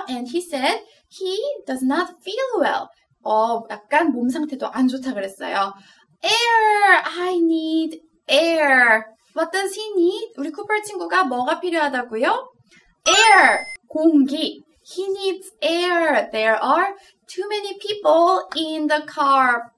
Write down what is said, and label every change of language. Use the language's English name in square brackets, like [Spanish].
[English] And he said he does not feel well. [Korean] 약간 몸 상태도 안 좋다 그랬어요. [English] Air! I need air. What does he need? [Korean] 우리 쿠퍼 친구가 뭐가 필요하다고요? [English] Air! 공기! He needs air. There are too many people in the car.